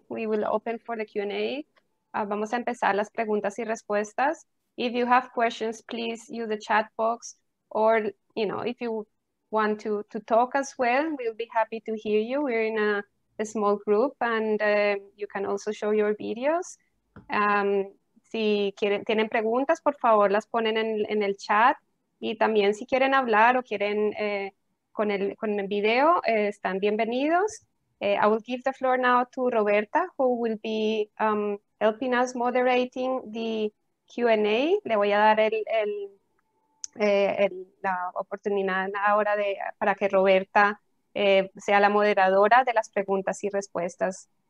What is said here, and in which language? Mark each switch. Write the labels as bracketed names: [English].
[English] We will open for the Q&A. [Spanish] Vamos a empezar las preguntas y respuestas. [English] If you have questions, please use the chat box, or you know, if you want to talk as well, we'll be happy to hear you. We're in a small group, and you can also show your videos. [Spanish] Si quieren, tienen preguntas, por favor, las ponen en el chat. Y también si quieren hablar o quieren con el video, están bienvenidos. [English] I will give the floor now to Roberta, who will be helping us moderating the Q&A. [Spanish] Le voy a dar la oportunidad ahora para que Roberta sea la moderadora de las preguntas y respuestas.